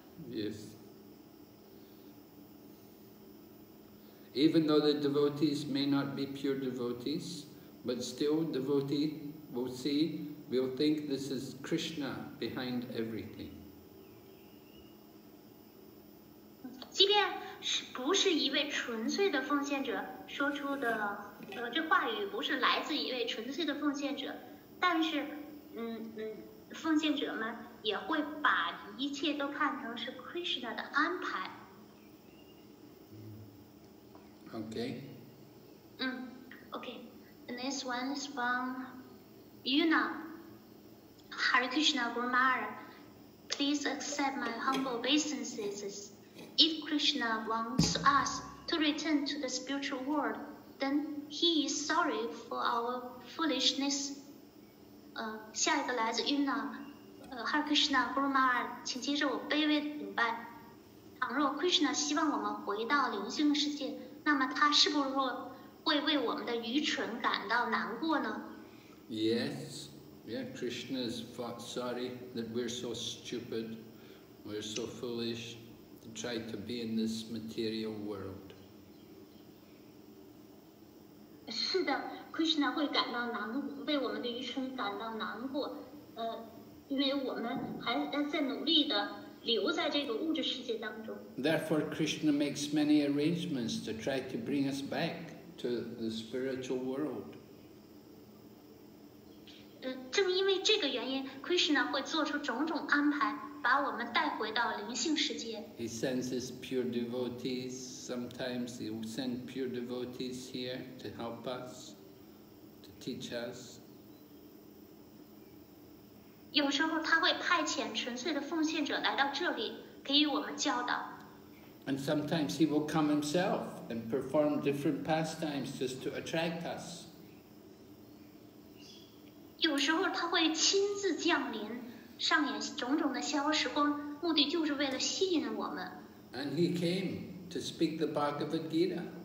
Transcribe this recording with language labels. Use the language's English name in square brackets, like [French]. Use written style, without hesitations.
[English] Yes. Even though the devotees may not be pure devotees. But still, devotee will see, will think this is Krishna behind everything. [Chinese] 即便是不是一位纯粹的奉献者说出的，这话语不是来自一位纯粹的奉献者，但是，奉献者们也会把一切都看成是 Krishna 的安排。 [English] Okay. Okay. And this one is from Yuna. Hare Krishna Guru Maharaj, please accept my humble obeisances. If Krishna wants us to return to the spiritual world, then he is sorry for our foolishness. [Chinese] 下一个来自 Yuna. Hare Krishna Guru Maharaj, 请接受我卑微的礼拜。倘若 Krishna 希望我们回到灵性世界，那么他是不是说会为我们的愚蠢感到难过呢？ [English] Yes, yeah, Krishna is sorry that we're so stupid, we're so foolish to try to be in this material world. [Chinese] 是的， Krishna 会感到难过，为我们的愚蠢感到难过，因为我们还在努力的留在这个物质世界当中。 [English] Therefore, Krishna makes many arrangements to try to bring us back. To the spiritual world. [Chinese] 正因为这个原因， Krishna 会做出种种安排，把我们带回到灵性世界。 [English] He sends his pure devotees. Sometimes he will send pure devotees here to help us, to teach us. [Chinese] 有时候他会派遣纯粹的奉献者来到这里，给予我们教导。 [English] And sometimes he will come himself and perform different pastimes just to attract us. [Chinese] 有时候他会亲自降临，上演种种的消时光，目的就是为了吸引我们。 [English] And he came to speak the Bhagavad Gita.